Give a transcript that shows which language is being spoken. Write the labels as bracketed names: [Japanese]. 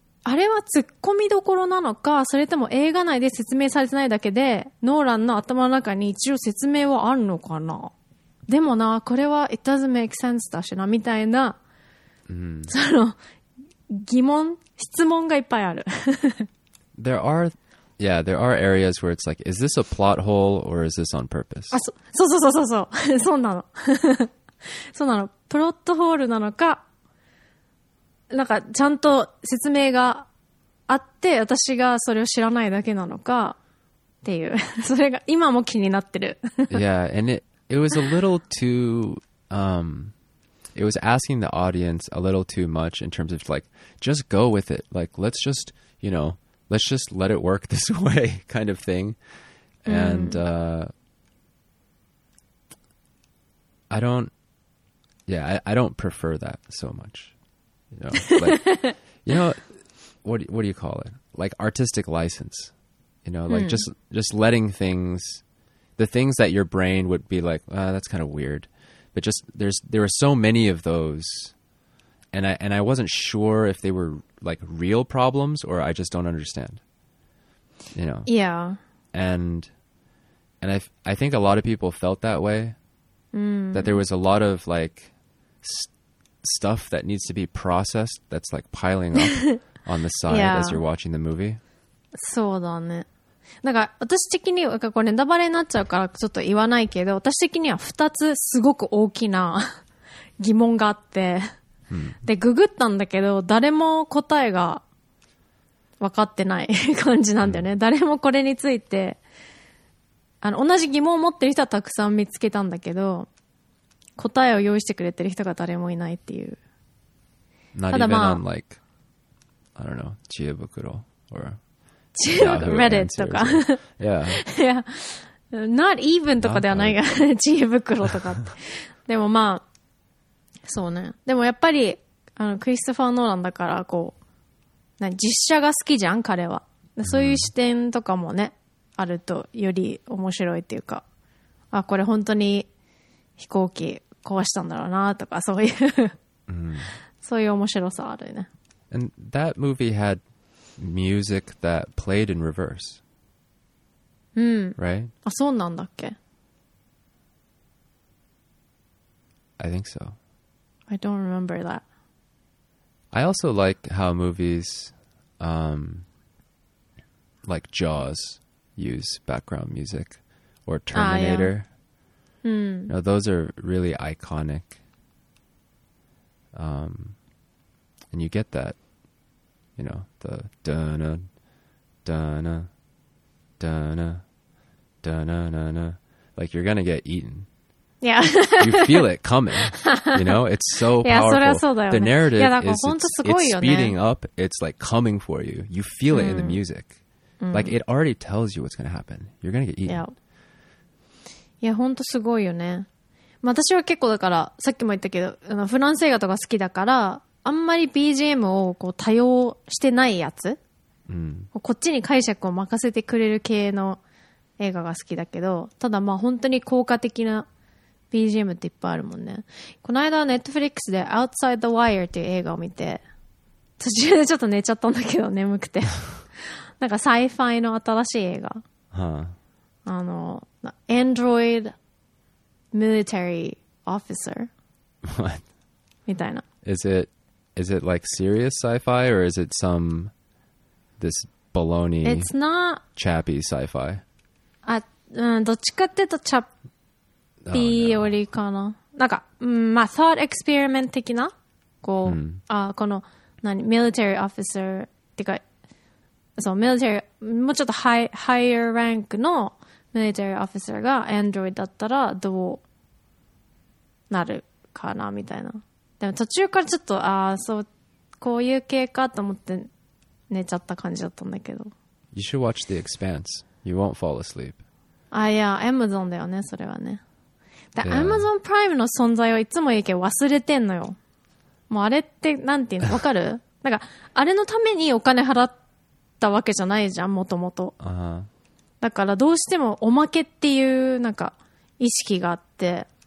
[Japanese] あれは突っ込みどころなのか、それとも映画内で説明されてないだけで、ノーランの頭の中に一応説明はあるのかな。でもな、これは [English] it doesn't make sense [Japanese] だしな、みたいな、その、疑問、質問がいっぱいある。 [English] There are, yeah, there are areas where it's like, is this a plot hole or is this on purpose? [Japanese] あ、そうそう。そうなの。そうなの。プロットホールなのか、なんかちゃんと説明があって私がそれを知らないだけなのかっていう、それが今も気になってる。 [English] Yeah, and it was a little too it was asking the audience a little too much in terms of like just go with it, like let's just, you know, let's just let it work this way kind of thing. And I don't prefer that so much. You know, like, you know, what do you call it? Like artistic license, you know, like just letting things, the things that your brain would be like, oh, that's kind of weird. But just there were so many of those. And I wasn't sure if they were like real problems or I just don't understand, you know? Yeah. And I think a lot of people felt that way, that there was a lot of like stuff that needs to be processed that's like piling up on the side yeah. as you're watching the movie. [Japanese] そうだね。なんか私的にはこれネタバレになっちゃうからちょっと言わないけど、私的には2つすごく大きな疑問があって、でググったんだけど誰も答えが分かってない感じなんだよね。誰もこれについて、あの同じ疑問を持ってる人はたくさん見つけたんだけど、答えを用意してくれてる人が誰もいないっていう。 [English] Not [Japanese] ただまあ、 [English] like, I don't know, 知恵袋 or [Japanese] 知恵袋 Reddit とか、 [English] yeah. [Japanese] yeah, [English] not even [Japanese] とかではないが知恵袋とかって。でもまあ、そうね。でもやっぱりあのクリストファー・ノーランだからこう、な実写が好きじゃん彼は。そういう視点とかもね、あるとより面白いっていうか、あこれ本当に。飛行機壊したんだろうなとかそういうそういう面白さあるね。 [English] And that movie had music that played in reverse. Right? [Japanese] あ、そうなんだっけ? [English] I think so. I don't remember that. I also like how movies like Jaws use background music or Terminator. Ah, yeah. No, those are really iconic. And you get that, you know, the da-na, da-na, da-na, da-na-na-na. Like, you're going to get eaten. Yeah. You feel it coming, you know? It's so powerful. [Japanese] Yeah, それはそうだよね。 [English] The narrative is speeding up. It's like coming for you. You feel it in the music. Like, it already tells you what's going to happen. You're going to get eaten. Yeah. [Japanese] いや本当すごいよね、まあ、私は結構だからさっきも言ったけどあのフランス映画とか好きだからあんまり BGM をこう多用してないやつ、こっちに解釈を任せてくれる系の映画が好きだけど、ただまあ本当に効果的な BGM っていっぱいあるもんね。この間 Netflix で Outside the Wire っていう映画を見て、途中でちょっと寝ちゃったんだけど眠くてなんかサイファイの新しい映画、あの [English] Android military officer. What? [Japanese] みたいな。 [English] Is it like serious sci-fi or is it some this baloney? It's not chappy sci-fi. [Japanese] どっちかって言うとチャッピーよりかな。なんか、まあ [English] thought experiment [Japanese] 的なこう、この何 military officer ってか、そう military もうちょっと [English] higher rank [Japanese] のミリタリーオフィサーがアンドロイドだったらどうなるかなみたいな。でも途中からちょっと、ああ、そう、こういう系かと思って寝ちゃった感じだったんだけど。 [English] You should watch The Expanse. You won't fall asleep. [Japanese] ああ、いや、Amazon だよね、それはね。で、Amazon Prime の存在をいつも言うけど忘れてんのよ。もうあれってなんていうの、わかる？なんかあれのためにお金払ったわけじゃないじゃん、もともと。だからどうしてもおまけっていうなんか意識があって、